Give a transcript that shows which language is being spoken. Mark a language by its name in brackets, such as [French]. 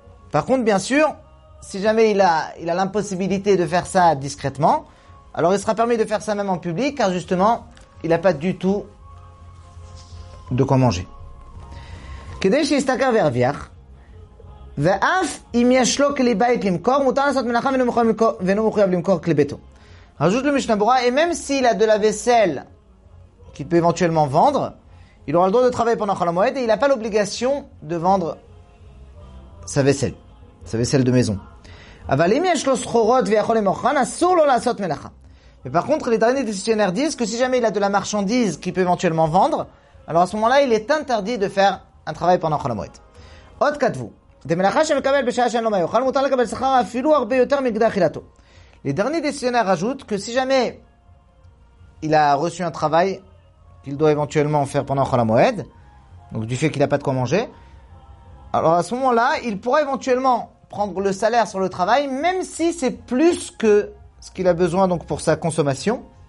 [French] Par contre, bien sûr, si jamais il a l'impossibilité de faire ça discrètement, alors il sera permis de faire ça même en public, car justement, il n'a pas du tout de quoi manger. [Hebrew] כדי שיסתכר וירוויח, ואף אם יש לו כלי בית למכור, מותר לעשות מלאכה ואינו מחויב למכור כלי ביתו. [French] Rajout le Mishnah Bura, et même s'il a de la vaisselle qu'il peut éventuellement vendre, il aura le droit de travailler pendant Chol HaMoed et il n'a pas l'obligation de vendre sa vaisselle de maison. [Hebrew] אבל אם יש לו סחורות ויכול למכרן, אסור לו לעשות מלאכה. [French] Mais par contre, les derniers décisionnaires disent que si jamais il a de la marchandise qu'il peut éventuellement vendre, alors à ce moment-là, il est interdit de faire un travail pendant Chol HaMoed. [Hebrew] עוד כתבו, דמלאכה שמקבל בשעה שאין לו מה יאכל, מותר לקבל שכר אפילו הרבה יותר מכדי אכילתו. [French] Les derniers décisionnaires ajoutent que si jamais il a reçu un travail qu'il doit éventuellement faire pendant Chol HaMoed, donc du fait qu'il n'a pas de quoi manger, alors à ce moment-là, il pourra éventuellement prendre le salaire sur le travail, même si c'est plus que ce qu'il a besoin donc pour sa consommation.